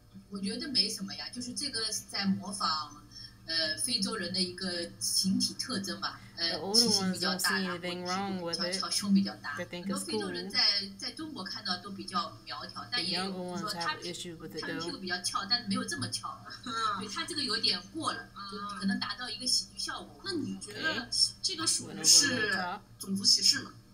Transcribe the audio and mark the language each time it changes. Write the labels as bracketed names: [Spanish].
[Chinese] 我觉得没什么呀，就是这个是在模仿。非洲人的一个形体特征吧。 [English] The older ones don't see anything wrong with it. They think it's cool. [Chinese] 很多非洲人在中国看到都比较苗条，但也有人说他屁股比较翘，但没有这么翘，因为他这个有点过了，就可能达到一个喜剧效果。那你觉得这个属于是种族歧视吗？